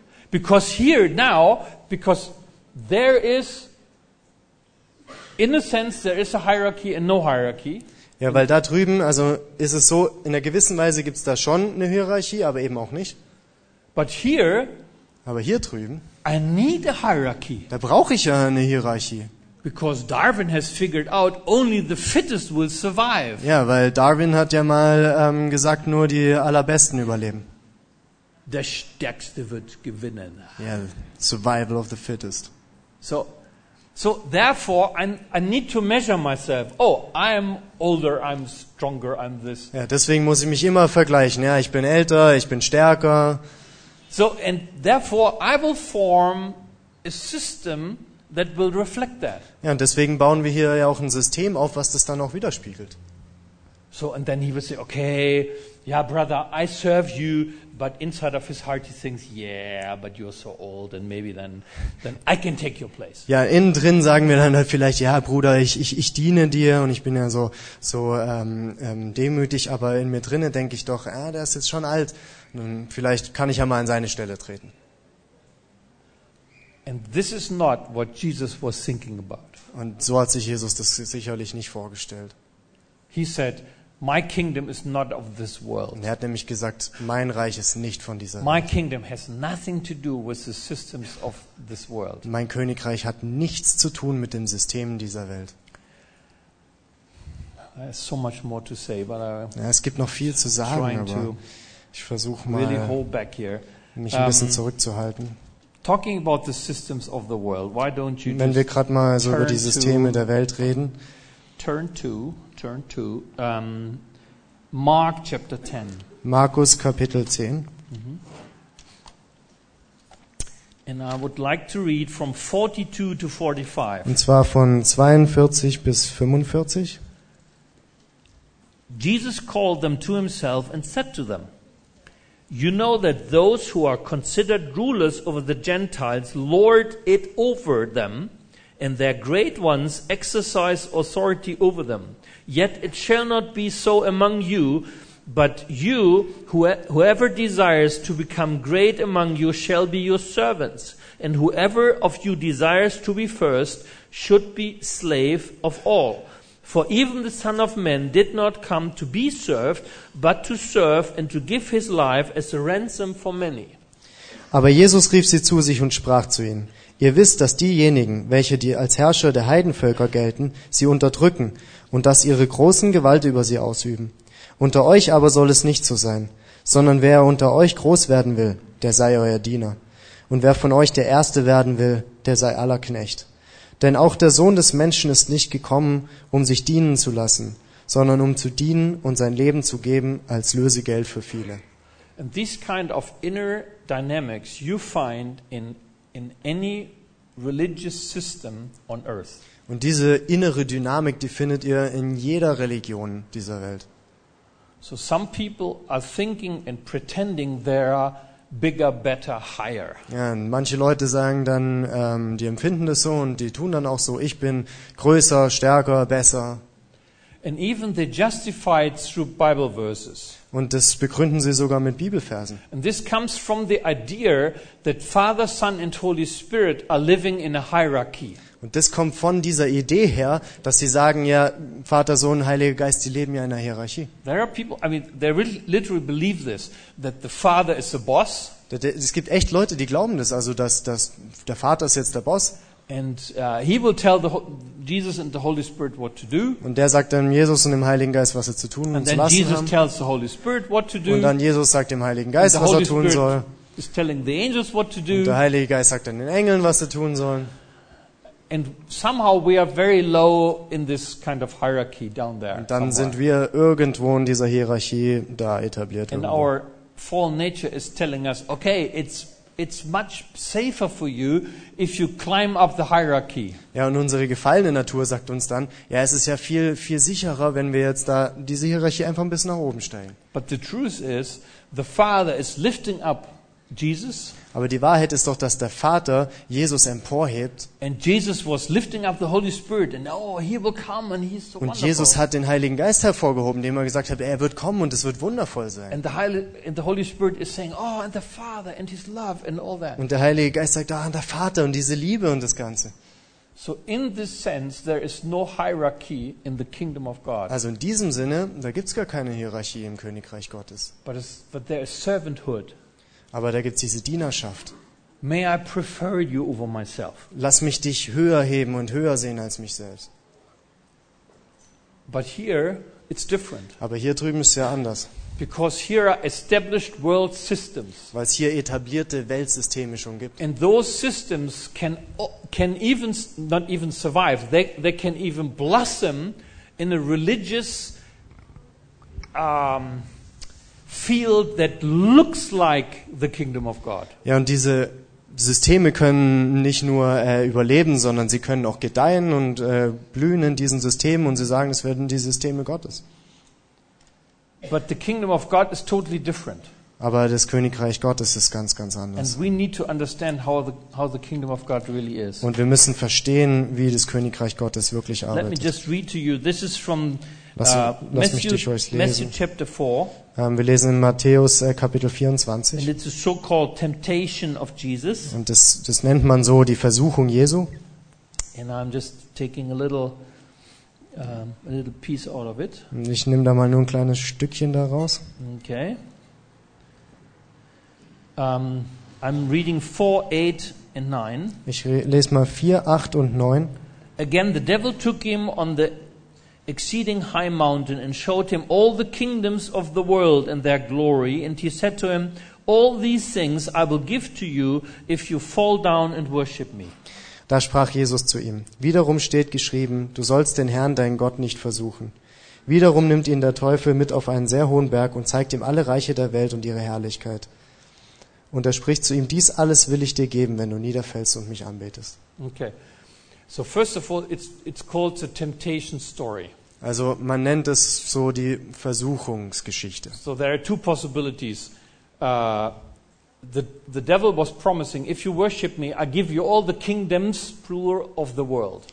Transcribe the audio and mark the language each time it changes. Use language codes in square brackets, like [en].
[en] Because here now, because there is, in a sense, there is a hierarchy and no hierarchy. [de] Ja, weil da drüben, also ist es so, in einer gewissen Weise gibt es da schon eine Hierarchie, aber eben auch nicht. [en] But here. [de] Aber hier drüben. [en] I need a hierarchy. [de] Da brauche ich ja eine Hierarchie. [en] Because Darwin has figured out only the fittest will survive. [de] Ja, weil Darwin hat ja mal gesagt, nur die allerbesten überleben. Der stärkste wird gewinnen. [en] Ja, survival of the fittest. So therefore I need to measure myself. Oh, I am older, I'm stronger, I'm this. [de] Ja, deswegen muss ich mich immer vergleichen. Ja, ich bin älter, ich bin stärker. [en] So and therefore I will form a system that will reflect that. [de] Ja, und deswegen bauen wir hier ja auch ein System auf, was das dann auch widerspiegelt. [en] So and then he will say, okay, yeah, brother, I serve you, but inside of his heart he thinks, yeah, but you're so old and maybe then I can take your place. [de] Ja, innen drin sagen wir dann halt vielleicht, ja, Bruder, ich diene dir und ich bin ja so demütig, aber in mir drinne denke ich doch, der ist jetzt schon alt, nun vielleicht kann ich ja mal an seine Stelle treten. [en] And this is not what Jesus was thinking about. [de] Und so hat sich Jesus das sicherlich nicht vorgestellt. [en] He said, "My kingdom is not of this world." [de] Und er hat nämlich gesagt, mein Reich ist nicht von dieser Welt. [en] My kingdom has nothing to do with the systems of this world. [de] Mein Königreich hat nichts zu tun mit den Systemen dieser Welt. [en] There's so much more to say, but [de] ja, es gibt noch viel zu sagen, aber ich versuche mal, [en] really hold back here. [de] Mich ein bisschen zurückzuhalten. [en] Talking about the systems of the world, why don't you [de] wenn wir gerade mal so über die Systeme der Welt reden, [en] turn to Mark chapter 10. [de] Markus Kapitel 10. Mm-hmm. [en] And I would like to read from 42 to 45. [de] Und zwar von 42 bis 45. [en] Jesus called them to himself and said to them, "You know that those who are considered rulers over the Gentiles lord it over them, and their great ones exercise authority over them. Yet it shall not be so among you, but you, whoever desires to become great among you, shall be your servants, and whoever of you desires to be first should be slave of all. For even the Son of Man did not come to be served, but to serve and to give his life as a ransom for many." [de] Aber Jesus rief sie zu sich und sprach zu ihnen: Ihr wisst, dass diejenigen, welche die als Herrscher der Heidenvölker gelten, sie unterdrücken und dass ihre großen Gewalt über sie ausüben. Unter euch aber soll es nicht so sein, sondern wer unter euch groß werden will, der sei euer Diener. Und wer von euch der Erste werden will, der sei aller Knecht. Denn auch der Sohn des Menschen ist nicht gekommen, um sich dienen zu lassen, sondern um zu dienen und sein Leben zu geben als Lösegeld für viele. [en] And this kind of inner dynamics you find in any religious system on earth. [de] Und diese innere Dynamik, die findet ihr in jeder Religion dieser Welt. [en] So some people are thinking and pretending there are bigger, better, higher. [de] Ja, manche Leute sagen dann, die empfinden das so und die tun dann auch so, ich bin größer, stärker, besser. [en] And even they justify it through Bible verses. [de] Und das begründen sie sogar mit Bibelversen. [en] And this comes from the idea that Father, Son and Holy Spirit are living in a hierarchy. [de] Und das kommt von dieser Idee her, dass sie sagen, ja, Vater, Sohn, Heiliger Geist, die leben ja in einer Hierarchie. [en] There are people, I mean, they really, literally believe this, that the Father is the boss. [de] Es gibt echt Leute, die glauben das, also dass der Vater ist jetzt der Boss. [en] And he will tell the Jesus and the Holy Spirit what to do. [de] Und der sagt dann Jesus und dem Heiligen Geist, was er zu tun und zu lassen [en] Jesus [de] haben. [en] Tells the Holy Spirit what to do. [de] Und dann Jesus sagt dem Heiligen Geist, was er tun soll. [en] Is telling the angels what to do. [de] Und der Heilige Geist sagt dann den Engeln, was sie tun sollen. [en] And somehow we are very low in this kind of hierarchy down there. [de] Und dann sind wir irgendwo in dieser Hierarchie da etabliert. [en] And our fallen nature is telling us, okay, it's much safer for you if you climb up the hierarchy. [de] Ja, und unsere gefallene Natur sagt uns dann, ja, es ist ja viel viel sicherer, wenn wir jetzt da diese Hierarchie einfach ein bisschen nach oben steigen. [en] But the truth is, the Father is lifting up Jesus. [de] Aber die Wahrheit ist doch, dass der Vater Jesus emporhebt. [en] And Jesus was lifting up the Holy Spirit and oh, he will come and he's so wonderful. [de] Und Jesus hat den Heiligen Geist hervorgehoben, dem er gesagt hat, er wird kommen und es wird wundervoll sein. [en] And the Holy Spirit is saying, oh, and the Father and his love and all that. [de] Und der Heilige Geist sagt, ah, und der Vater und diese Liebe und das Ganze. [en] So in this sense there is no hierarchy in the kingdom of God. [de] Also in diesem Sinne, da gibt's gar keine Hierarchie im Königreich Gottes. [en] But there is servanthood. [de] Aber da gibt es diese Dienerschaft. [en] May I prefer you over myself? [de] Lass mich dich höher heben und höher sehen als mich selbst. [en] But here it's different. [de] Aber hier drüben ist es ja anders. [en] Because here are established world systems. [de] Weil es hier etablierte Weltsysteme schon gibt. [en] And those systems can even not even survive. They can even blossom in a religious field that looks like the kingdom of God. [de] Ja, und diese Systeme können nicht nur überleben, sondern sie können auch gedeihen und blühen in diesen Systemen und sie sagen, es werden die Systeme Gottes. [en] But the kingdom of God is totally different. [de] Aber das Königreich Gottes ist ganz ganz anders. [en] And we need to understand how the kingdom of God really is. [de] Und wir müssen verstehen, wie das Königreich Gottes wirklich arbeitet. [en] Let me just read to you. This is from Matthew chapter 4. [de] Wir lesen in Matthäus Kapitel 24. [en] And it's a so-called temptation of Jesus. [de] Und das nennt man so die Versuchung Jesu. [en] And I'm just taking a little piece out of it. [de] Ich nehme da mal nur ein kleines Stückchen daraus. [en] Okay. I'm reading 4, 8 and 9. [de] Ich lese mal 4, 8 und 9. [en] Again, the devil took him on the exceeding high mountain and showed him all the kingdoms of the world and their glory. And he said to him, all these things I will give to you if you fall down and worship me. [de] Da sprach Jesus zu ihm, wiederum steht geschrieben, du sollst den Herrn, deinen Gott, nicht versuchen. Wiederum nimmt ihn der Teufel mit auf einen sehr hohen Berg und zeigt ihm alle Reiche der Welt und ihre Herrlichkeit. Und er spricht zu ihm, dies alles will ich dir geben, wenn du niederfällst und mich anbetest. [en] Okay. So first of all, it's called the temptation story. [de] Also man nennt es so die Versuchungsgeschichte. [en] So there are two possibilities. The devil was promising, if you worship me, I give you all the kingdoms plural of the world.